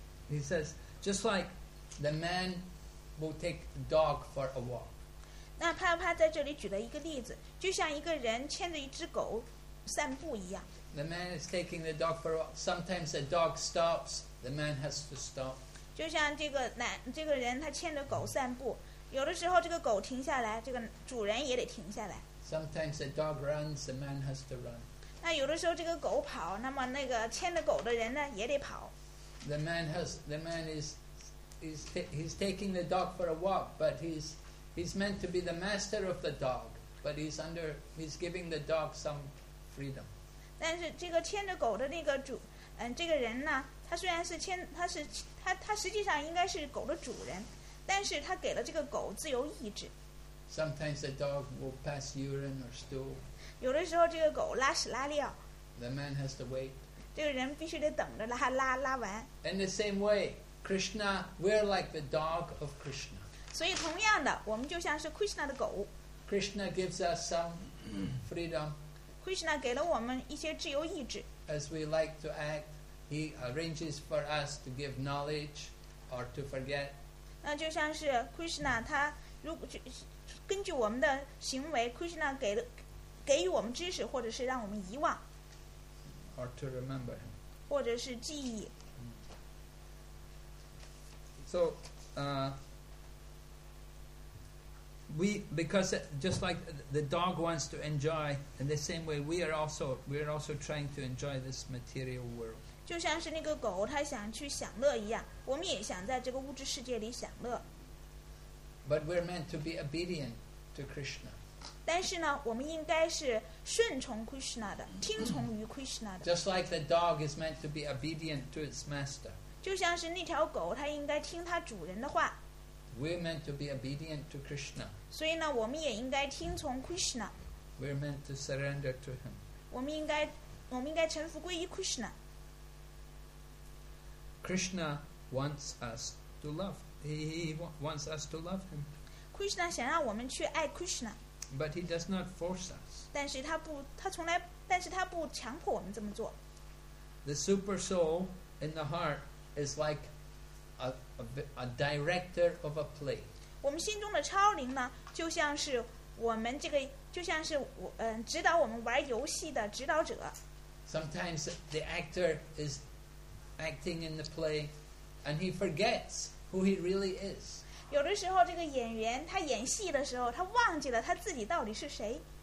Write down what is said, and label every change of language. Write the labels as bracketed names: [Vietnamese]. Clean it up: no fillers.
[English] He says, just like the man will take the dog for a walk. [Chinese] 那帕帕在这里举了一个例子，就像一个人牵着一只狗散步一样。 [English] The man is taking the dog for a walk. Sometimes the dog stops. The man has to stop. [Chinese] 就像这个人他牵着狗散步，有的时候这个狗停下来，这个主人也得停下来。 [English] Sometimes the dog runs. The man has to run. [Chinese] 那有的时候这个狗跑，那么那个牵着狗的人呢也得跑。 [English] The man is taking the dog for a walk, but he's meant to be the master of the dog, but he's giving the dog some freedom. [Chinese] 但是这个牵着狗的那个主，这个人呢，他虽然是牵，他实际上应该是狗的主人，但是他给了这个狗自由意志。 [English] Sometimes the dog will pass urine or stool. [Chinese] 有的时候这个狗拉屎拉尿。 [English] The man has to wait. [Chinese] 这个人必须得等着拉完。 [English] In the same way, Krishna, we're like the dog of Krishna. [Chinese] 所以同样的，我们就像是 Krishna 的狗。 [English] Krishna gives us some freedom. [Chinese] Krishna 给了我们一些自由意志。 [English] As we like to act, he arranges for us to give knowledge or to forget. [Chinese] 那就像是 Krishna, 他如果就根据我们的行为 ，Krishna 给予我们知识，或者是让我们遗忘， [English] or to remember him. [Chinese] 或者是记忆。 [English] So, we because just like the dog wants to enjoy, in the same way we are also trying to enjoy this material world. [Chinese] 就像是那个狗，它想去享乐一样，我们也想在这个物质世界里享乐。 [English] But we're meant to be obedient to Krishna. [Chinese] 但是呢，我们应该是顺从 Krishna 的，听从于 Krishna 的。 [English] Just like the dog is meant to be obedient to its master. [Chinese] 就像是那条狗，它应该听它主人的话。 [English] We're meant to be obedient to Krishna. [Chinese] 所以呢，我们也应该听从 Krishna. [English] We're meant to surrender to him. [Chinese] 我们应该臣服归于 Krishna. [English] Krishna wants us to love. He wants us to love him. [Chinese] Krishna 想让我们去爱 Krishna. [English] But he does not force us. [Chinese] 但是他不强迫我们这么做。 [English] The super soul in the heart is like a director of a play. [Chinese] 我们心中的超灵呢，就像是我们这个，就像是指导我们玩游戏的指导者。 [English] Sometimes the actor is acting in the play, and he forgets who he really is. [Chinese] 有的时候这个演员他演戏的时候他忘记了他自己到底是谁。